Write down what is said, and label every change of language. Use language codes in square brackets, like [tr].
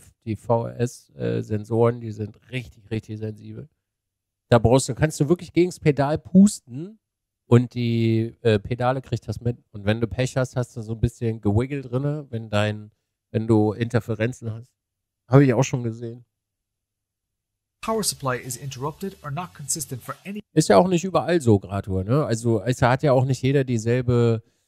[de] Die VRS-Sensoren, die sind richtig, richtig sensibel. Kannst du wirklich gegen das Pedal pusten und die Pedale kriegt das mit. Und wenn du Pech hast, hast du so ein bisschen gewiggelt drin, wenn du Interferenzen hast. Habe ich auch schon gesehen. [en] Power supply is interrupted or not consistent for any. [de] Ist ja auch nicht überall so, Gratur, ne? Also es hat ja auch nicht jeder dieselbe.